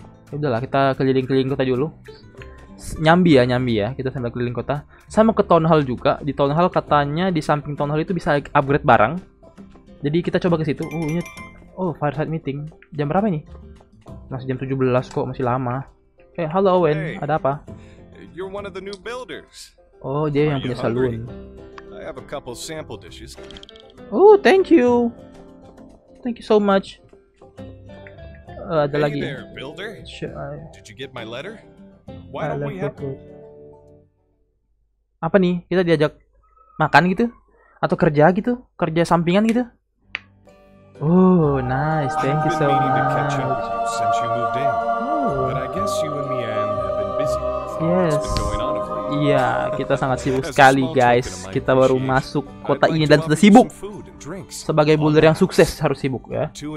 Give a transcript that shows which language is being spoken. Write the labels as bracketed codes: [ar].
[id] Ya udahlah, kita keliling-keliling kota dulu. Nyambi ya. Kita sambil keliling kota. Sama ke Town Hall juga. Di Town Hall katanya di samping Town Hall itu bisa upgrade barang. Jadi kita coba ke situ. Fireside meeting. Jam berapa ini? Masih jam 17 kok, masih lama. Halo Owen, hey. Ada apa? [en] You're one of the new builders. [id] Oh, dia yang punya saloon. [en] I have a couple sample dishes. Oh, thank you. Thank you so much. [id] Ada [en] hey [id] lagi. [en] There, builder. Did you get my letter? Why don't we have... [id] Apa nih? Kita diajak makan gitu? Atau kerja gitu? Kerja sampingan gitu? [en] Oh, nice. Thank you so much. I've been meaning to catch up with you since you moved in. But I guess you and Mian have been busy. [id] Yes. Iya, kita sangat sibuk sekali guys. Kita baru masuk kota ini dan sudah sibuk. Sebagai builder yang sukses harus sibuk ya.